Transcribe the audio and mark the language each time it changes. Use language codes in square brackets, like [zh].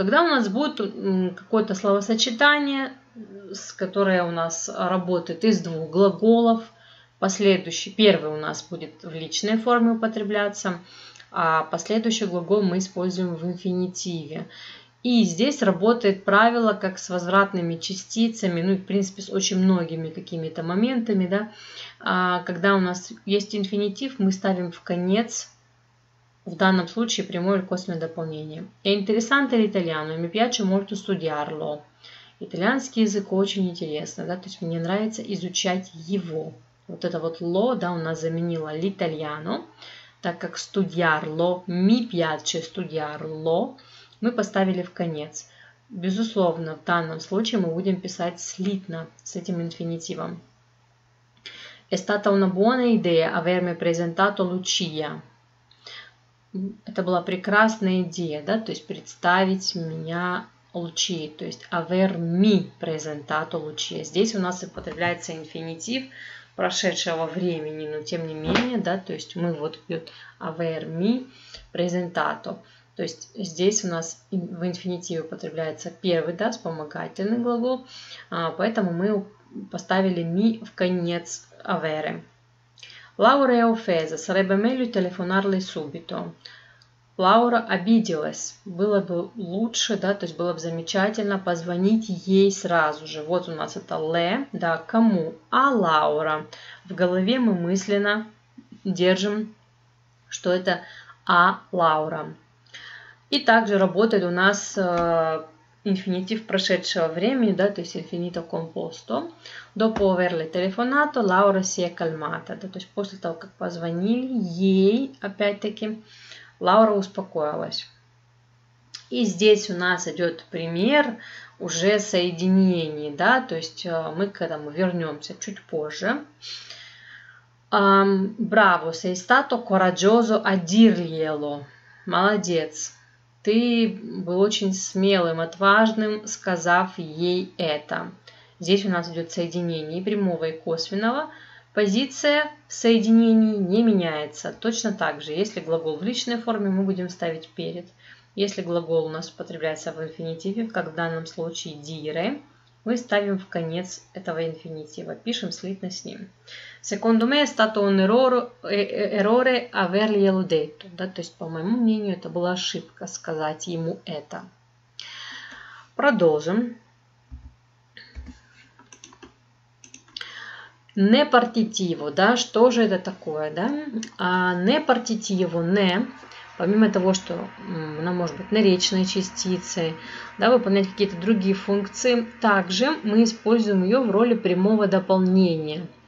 [ru] Когда у нас будет какое-то словосочетание, которое у нас работает из двух глаголов, последующий, первый у нас будет в личной форме употребляться, а последующий глагол мы используем в инфинитиве. И здесь работает правило, как с возвратными частицами, ну и в принципе с очень многими какими-то моментами, да. Когда у нас есть инфинитив, мы ставим в конец, в данном случае прямое или косвенное дополнение. [it] È interessante l'italiano, mi piace molto studiarlo. [ru] Итальянский язык очень интересный, да, то есть мне нравится изучать его. Вот это вот lo, да, у нас заменило l'italiano, так как studiarlo, [it] mi piace studiarlo, [ru] мы поставили в конец. Безусловно, в данном случае мы будем писать слитно с этим инфинитивом. [it] È stata una buona idea avermi presentato Lucia. [ru] Это была прекрасная идея, да, то есть представить меня Lucia, то есть [it] avermi presentato Lucia. [ru] Здесь у нас употребляется инфинитив прошедшего времени, но тем не менее, да, то есть мы вот пьют [it] avermi presentato. [ru] То есть здесь у нас в инфинитиве употребляется первый, да, вспомогательный глагол, поэтому мы поставили mi в конец avere. [it] Laura è offesa, sarebbe meglio telefonarle subito. [ru] Laura обиделась. Было бы лучше, да, то есть было бы замечательно позвонить ей сразу же. Вот у нас это le, да, кому? [it] А Laura. [ru] В голове мы мысленно держим, что это [it] а Laura. [ru] И также работает у нас инфинитив прошедшего времени, да, то есть infinito composto. [it] Dopo averle telefonato, Laura si è calmata. [ru] Да, то есть после того, как позвонили ей, опять-таки, Laura успокоилась. И здесь у нас идет пример уже соединений, да, то есть мы к этому вернемся чуть позже. [it] Bravo, sei stato coraggioso a dirglielo. [ru] Молодец. Ты был очень смелым, отважным, сказав ей это. Здесь у нас идет соединение прямого и косвенного. Позиция в соединении не меняется. Точно так же, если глагол в личной форме, мы будем ставить перед. Если глагол у нас употребляется в инфинитиве, как в данном случае dire, мы ставим в конец этого инфинитива, пишем слитно с ним. [it] Secondo me è stato un errore averglielo detto. [ru] Да, то есть, по моему мнению, это была ошибка сказать ему это. Продолжим. Не партитиво, да, что же это такое, да? Не партитиво, не, помимо того, что она может быть наречной частицей, да, выполнять какие-то другие функции, также мы используем ее в роли прямого дополнения.